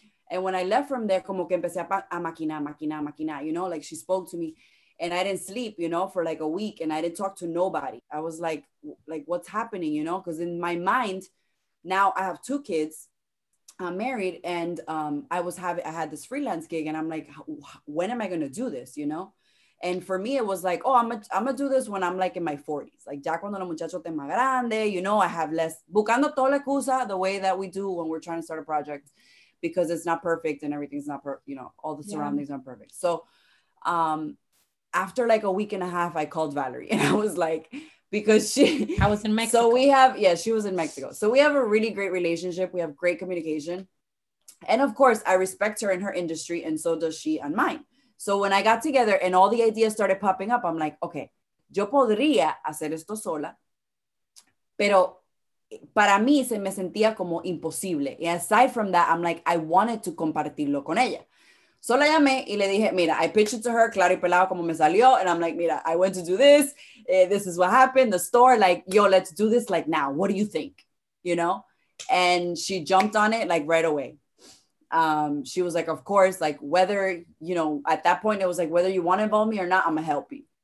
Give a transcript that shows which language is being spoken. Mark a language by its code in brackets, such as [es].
[en] And when I left from there, [es] como que empecé a maquinar, maquinar, [en] maquinar, like she spoke to me and I didn't sleep, for like a week and I didn't talk to nobody. I was like what's happening, Because in my mind, now I have 2 kids, I'm married and I had this freelance gig and I'm like, when am I going to do this, And for me, it was like, oh, I'm gonna do this when I'm like in my 40s. [es] Like, ya cuando los muchachos estén más grandes, [en] I have less. [es] Buscando toda la excusa, [en] the way that we do when we're trying to start a project, because it's not perfect and everything's not, all the surroundings aren't perfect. So after like a week and a half, I called Valerie and I was like, I was in Mexico. So we have, she was in Mexico. So we have a really great relationship. We have great communication. And of course, I respect her in her industry and so does she on mine. So when I got together and all the ideas started popping up, I'm like, okay, [es] yo podría hacer esto sola, pero para mí se me sentía como imposible. [en] And aside from that, I'm like, I wanted to [es] compartirlo con ella. So la llamé y le dije, mira, [en] I pitched it to her, [es] claro y pelado como me salió. [en] And I'm like, mira, I went to do this. This is what happened, the store. Like, yo, let's do this like now. What do you think? You know? And she jumped on it like right away. She was like, of course, like whether, you know, at that point it was like, whether you want to involve me or not, I'm gonna help you.